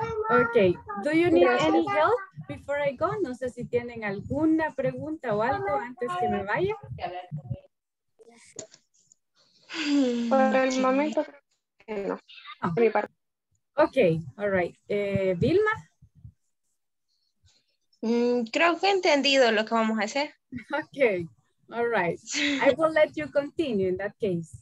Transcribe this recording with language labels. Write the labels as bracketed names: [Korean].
[English] Okay, do you need any help before I go? [Spanish] No sé si tienen alguna pregunta o algo antes que me vaya. Por el momento, no. [English] Oh. Okay, all right. Vilma. [Spanish] Creo que he entendido lo que vamos a hacer. [English] Okay, all right. I will let you continue in that case.